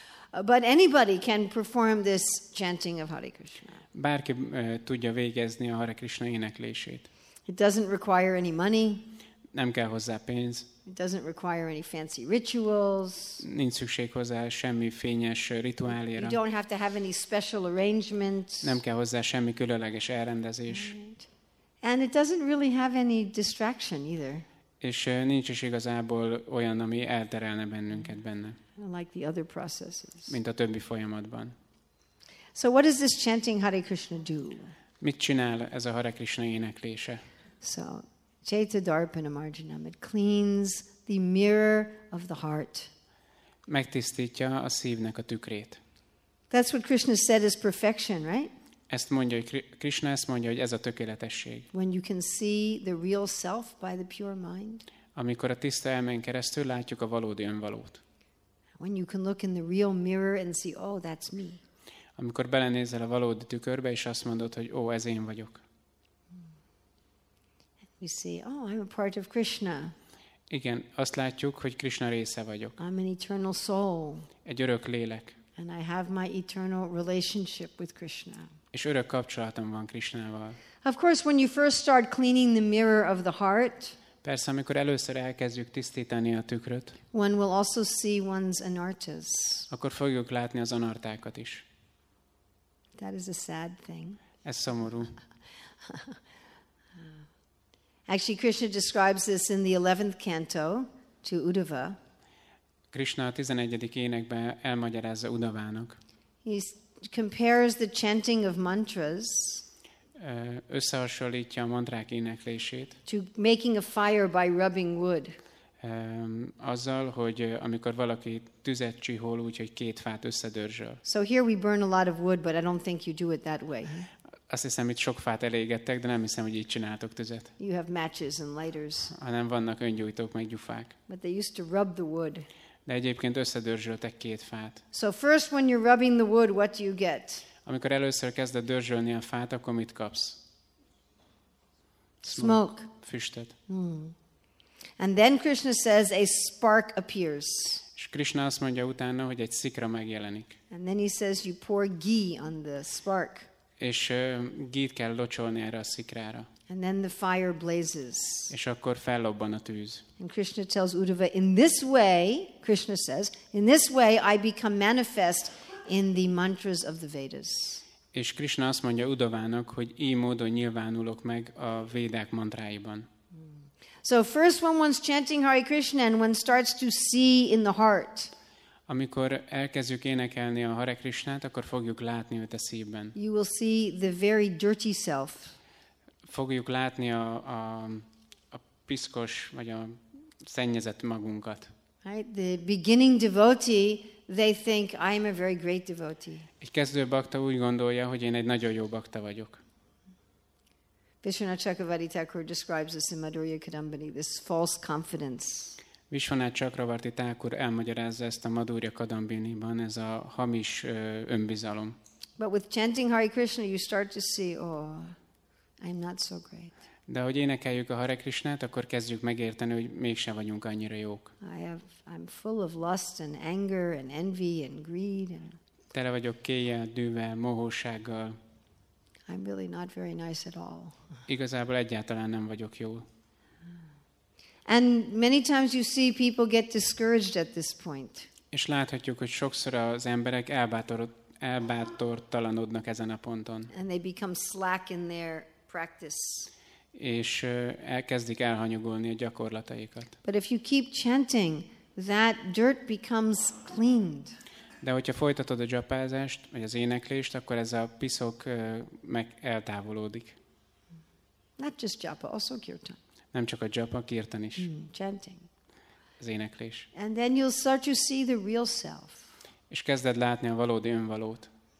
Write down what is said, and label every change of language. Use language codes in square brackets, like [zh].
[en] But anybody can perform this chanting of Hare Krishna. [hu] Bárki tudja végezni a Hare Krishna éneklését. [en] It doesn't require any money. [hu] Nem kell hozzá pénz. [en] It doesn't require any fancy rituals. [hu] Nincs szükség hozzá semmi fényes rituáléra. [en] You don't have to have any special arrangement. [hu] Nem kell hozzá semmi különleges elrendezés. [en] And it doesn't really have any distraction either. [hu] És nincs is igazából olyan, ami elterelne bennünket benne. [en] Like the other processes. [hu] Mint a többi folyamatban. [en] So what does this chanting Hare Krishna do? [hu] Mit csinál ez a Hare Krishna éneklése? [en] So, [sa] Chaita Darpana Marjanam, [en] it cleans the mirror of the heart. [hu] Megtisztítja a szívnek a tükrét. [en] That's what Krishna said is perfection, right? [hu] Ezt mondja, hogy Krishna ezt mondja, hogy ez a tökéletesség. [en] When you can see the real self by the pure mind. [hu] Amikor a tiszta elmén keresztül látjuk a valódi önvalót. [en] When you can look in the real mirror and see, oh, that's me. [hu] Amikor belenézel a valódi tükörbe, és azt mondod, hogy ó, ez én vagyok. [en] You see, oh, I'm a part of Krishna. [hu] Igen, azt látjuk, hogy Krishna része vagyok. [en] I'm an eternal soul. [hu] Egy örök lélek. [en] And I have my eternal relationship with Krishna. [hu] És örök kapcsolatom van Krishnával. [en] Of course, when you first start cleaning the mirror of the heart, [hu] persze, amikor először elkezdjük tisztítani a tükröt, [en] one will also see one's anartas. [hu] Akkor fogjuk látni az anartákat is. [en] That is a sad thing. [hu] Ez szomorú. [en] Actually, Krishna describes this in the 11th canto to Uddhava. [hu] Krishna a 11. énekben elmagyarázza Uddhavának. [en] He compares the chanting of mantras. [hu] Összehasonlítja a mantrák éneklését. [en] To making a fire by rubbing wood. [hu] Azzal, hogy amikor valaki tüzet csihol, úgyhogy két fát összedörzsöl. [en] So here we burn a lot of wood, but I don't think you do it that way. [hu] Azt hiszem, itt sok fát elégettek, de nem hiszem, hogy így csináltok tüzet. [en] You have matches and lighters. [hu] Hanem vannak öngyújtók meg gyufák. [en] But they used to rub the wood. [hu] De egyébként összedörzsöltek két fát. [en] So first when you're rubbing the wood, what do you get? [hu] Amikor először kezded dörzsölni a fát, akkor mit kapsz? [en] Smoke. [hu] Füstöt. [en] And then Krishna says a spark appears. [hu] És Krishna azt mondja utána, hogy egy szikra megjelenik. [en] And then he says you pour ghee on the spark. [hu] És ghee-t kell locsolni erre a szikrára. [en] And then the fire blazes. [hu] És akkor fellobban a tűz. [en] And Krishna tells Uddhava, in this way, Krishna says, in this way I become manifest in the mantras of the Vedas. [hu] És Krishna azt mondja Uddhavának, hogy így módon nyilvánulok meg a védák mantráiban. [en] So first when one's chanting Hare Krishna and one starts to see in the heart. [hu] Amikor elkezdjük énekelni a Hare Krishnát, akkor fogjuk látni őt a szívben. [en] You will see the very dirty self. [hu] Fogjuk látni a piszkos vagy a szennyezett magunkat. [en] Right? The beginning devotee, they think I am a very great devotee. [hu] Egy kezdő bakta úgy gondolja, hogy én egy nagyon jó bakta vagyok. [en] Vishwanath Chakravarti Thakur describes this in Madhurya Kadambini, this false confidence. [hu] Vishwanath Chakravarti Thakur elmagyarázza ezt a Madhurya Kadambiniban, ez a hamis önbizalom. [en] But with chanting Hare Krishna, you start to see, oh, I'm not so great. [hu] De hogy énekeljük a Hare Krishnát, akkor kezdjük megérteni, hogy mégsem vagyunk annyira jók. [en] I'm full of lust and anger and envy and greed. [hu] Tele vagyok kéjjel, dűvel, mohósággal. [en] I'm really not very nice at all. [hu] Igazából egyáltalán nem vagyok jó. [en] And many times you see people get discouraged at this point. [hu] És láthatjuk, hogy sokszor az emberek elbátortalanodnak ezen a ponton. [en] And they become slack in their practice. [hu] És elkezdik elhanyagolni a gyakorlataikat. [en] But if you keep chanting, that dirt becomes cleaned. [hu] De hogyha folytatod a japázást, vagy az éneklést, akkor ez a piszok meg eltávolódik. [en] Not just japa, also kirtan. [hu] Nem csak a japa, kirtan is. [en] Chanting. [hu] Az éneklés. [en] And then you'll start to see the real self. [hu] És kezded látni a valódi önvalót.